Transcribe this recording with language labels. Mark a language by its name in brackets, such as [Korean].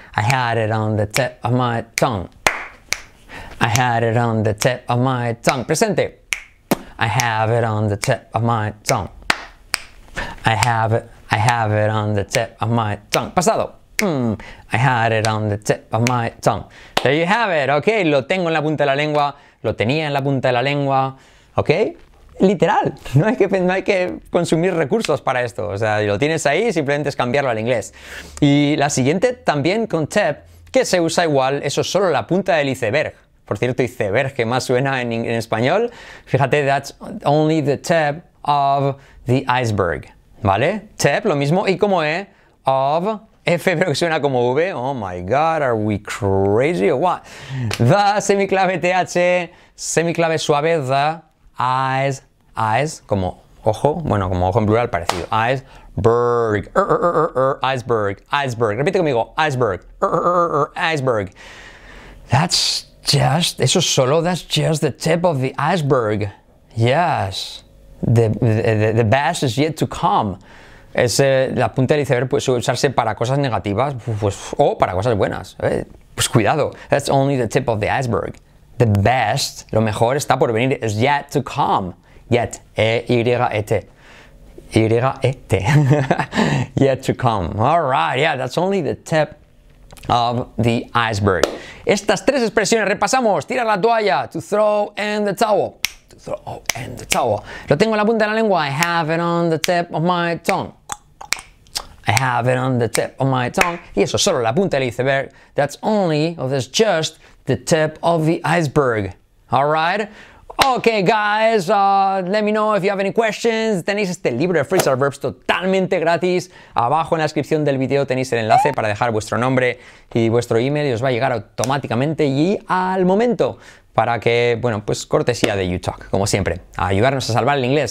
[English] I had it on the tip of my tongue. I had it on the tip of my tongue. [Spanish] Presente. [English] I have it on the tip of my tongue. I have it. I have it on the tip of my tongue. [Spanish] Pasado. [English] I had it on the tip of my tongue. There you have it. Okay. [Spanish] Lo tengo en la punta de la lengua. Lo tenía en la punta de la lengua. Okay. Literal, no hay que consumir recursos para esto, o sea, lo tienes ahí, simplemente es cambiarlo al inglés. Y la siguiente también con tip, que se usa igual, eso es solo la punta del iceberg. Por cierto, iceberg, que más suena en español. Fíjate, [English] that's only the tip of the iceberg, [Spanish] ¿vale? Tip, lo mismo, y como E, of, F, pero que suena como V, [English] oh my God, are we crazy or what? [Spanish] The, semiclave TH, semiclave suave, the, eyes, eyes, como ojo, bueno, como ojo en plural, parecido. [English] Iceberg, iceberg, iceberg. [Spanish] Repite conmigo, iceberg, iceberg. [English] That's just, [Spanish] eso solo, [English] that's just the tip of the iceberg. Yes, the best is yet to come. [Spanish] Es, la punta del iceberg puede usarse para cosas negativas pues, o para cosas buenas. Pues cuidado, [English] that's only the tip of the iceberg. The best, [Spanish] lo mejor está por venir, [English] is yet to come. Yet, E-Y-E-T. Y-E-T. Yet to come. All right, yeah, that's only the tip of the iceberg. [Spanish] Estas tres expresiones, repasamos. Tira la toalla, [English] to throw in the towel. To throw in the towel. [Spanish] Lo tengo en la punta de la lengua. [English] I have it on the tip of my tongue. I have it on the tip of my tongue. [Spanish] Y eso, solo la punta del iceberg. [English] That's only, or that's just, the tip of the iceberg. All right? Okay, guys, let me know if you have any questions. [Spanish] Tenéis este libro de phrasal verbs totalmente gratis. Abajo en la descripción del video tenéis el enlace para dejar vuestro nombre y vuestro email y os va a llegar automáticamente y al momento para que, bueno, pues cortesía de YouTalk, como siempre, a ayudarnos a salvar el inglés.